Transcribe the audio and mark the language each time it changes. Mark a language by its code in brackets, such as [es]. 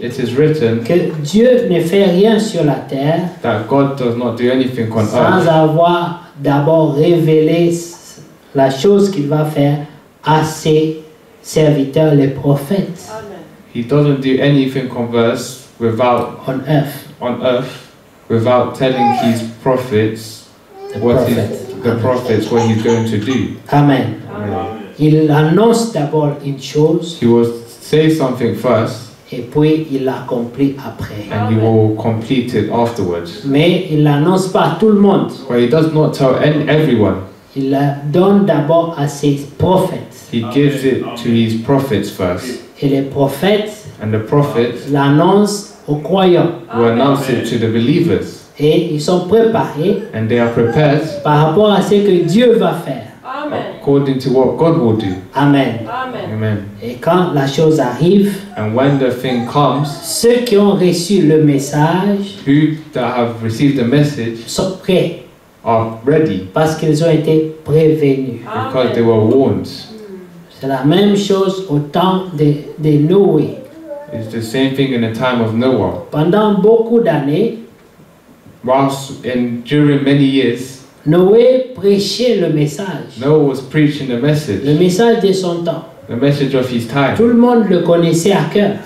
[en] it is written, [fr] que Dieu ne fait rien sur la terre, [en] that God does not do anything on [fr] sans [en] earth, [fr] avoir d'abord révélé la chose qu'il va faire à ses serviteurs, les prophètes. Amen. [en] He doesn't do anything converse without on earth. On earth. without telling his prophets what he's going to do. [fr] Amen. Il annonce d'abord une chose. [en] He will say something first. [fr] Et puis il l'accomplit après. [en] And he will complete it afterwards. [fr] Mais il l'annonce pas à tout le monde. [en] But he does not tell everyone. [fr] Il la donne d'abord à ses prophètes. [en] He gives it to his prophets first. [fr] Et les prophètes. [en] And the prophets. [fr] L'annonce aux croyants. [en] Will announce it to the believers. [fr] Et ils sont préparés. [en] And they are prepared. [fr] Par rapport à ce que Dieu va faire. [en] According to what God will do. Amen. Amen. Amen. [fr] Et quand la chose arrive, [en] and when the thing comes, [fr] ceux qui ont reçu le message, [en] who that have received the message, [fr] sont prêts, [en] are ready, [fr] parce qu'ils ont été prévenus, [en] because they were warned. [fr] C'est la même chose au temps de Noé. [en] It's the same thing in the time of Noah. [fr] Pendant beaucoup d'années, [en] whilst and during many years. [fr] Noé prêchait le message. [en] Noah was preaching the message. [fr] Le message de son temps. [en] The message of his time. [fr] Tout le monde le connaissait à cœur.